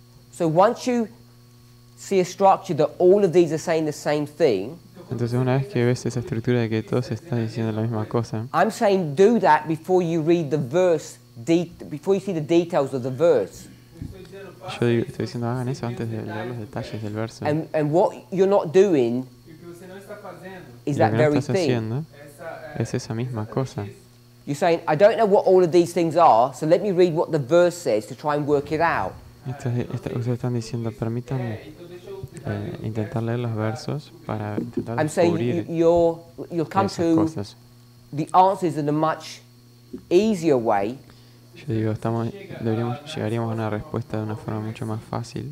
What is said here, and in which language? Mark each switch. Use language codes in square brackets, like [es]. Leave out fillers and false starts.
[en] So once you see a structure that all of these are saying the same thing. [es] Entonces una vez que ves esa estructura de que todos están diciendo la misma cosa. [en] I'm saying do that before you read the verse, before you see the details of the verse. [es] Yo digo, estoy diciendo hagan eso antes de leer los detalles del verso. [en] And what you're not doing is that very thing. [es] Es esa misma cosa. [en] You're saying I don't know what all of these things are, so let me read what the verse says to try and work it out. [es] Ustedes están diciendo permítanme intentar leer los versos para intentar [en] I'm saying you'll come to [es] cosas. [en] The answers in a much easier way. [es] Yo digo, llegaríamos a una respuesta de una forma mucho más fácil.